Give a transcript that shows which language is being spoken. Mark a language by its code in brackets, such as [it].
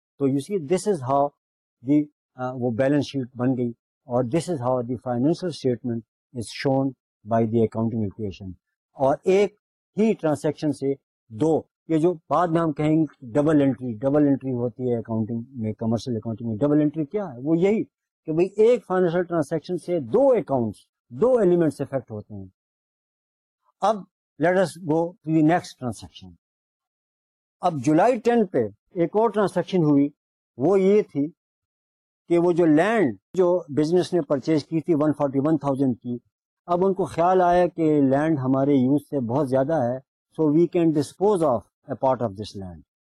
[en] تو you see this is how the [ur] وہ balance sheet بن گئی, [en] اور this is how the financial statement is shown by the accounting equation. [ur] اور ایک ہی transaction سے دو, یہ جو بعد میں ہم کہیں گے ڈبل انٹری ہوتی ہے اکاؤنٹنگ میں, کمرشل اکاؤنٹنگ میں ڈبل انٹری کیا ہے, وہ یہی کہ بھائی ایک فائنینشیل ٹرانزیکشن سے دو اکاؤنٹس دو ایلیمنٹس افیکٹ ہوتے ہیں. [en] اب let us go to the next transaction. [ur] اب جولائی 10 پہ ایک اور ٹرانزیکشن ہوئی, وہ یہ تھی کہ وہ جو لینڈ جو بزنس نے پرچیز کی تھی 141,000 کی, اب ان کو خیال آیا کہ لینڈ ہمارے یوز سے بہت زیادہ ہے, [en] so we can dispose of a part of this land